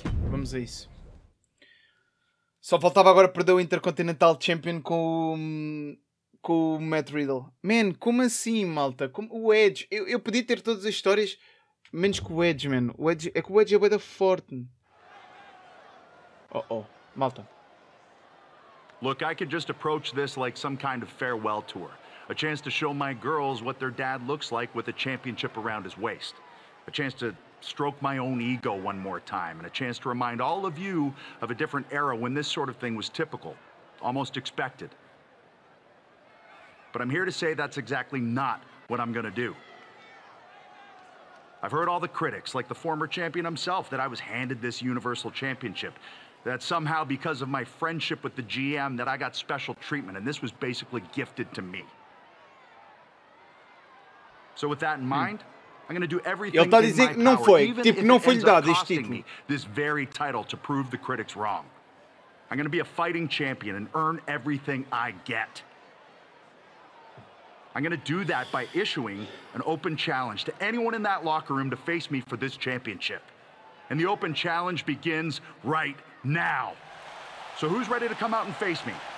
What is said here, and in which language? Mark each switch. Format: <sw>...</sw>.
<pt>Vamos a isso. Só faltava agora perder o Intercontinental Champion com o... com o Matt Riddle. Man, como assim, malta? Como, o Edge, eu podia ter todas as histórias menos que o Edge, man. O Edge, é que o Edge é bué da forte. Oh, malta.</pt> <en>Look, I could just approach this like some kind of farewell tour. A chance to show my girls what their dad looks like with a championship around his waist. A chance to stroke my own ego one more time, and a chance to remind all of you of a different era when this sort of thing was typical, almost expected. But I'm here to say that's exactly not what I'm gonna do. I've heard all the critics, like the former champion himself, that I was handed this Universal Championship, that somehow because of my friendship with the GM that I got special treatment, and this was basically gifted to me. So with that in mind, I'm gonna do everything</en> <pt>ele tá dizendo que não foi, tipo, não foi lhe dado este título.</pt> <en>This very title to prove the critics wrong. I'm gonna be a fighting champion and earn everything I get. I'm gonna do that by issuing an open challenge to anyone in that locker room to face me for this championship. And the open challenge begins right now. So who's ready to come out and face me?</en>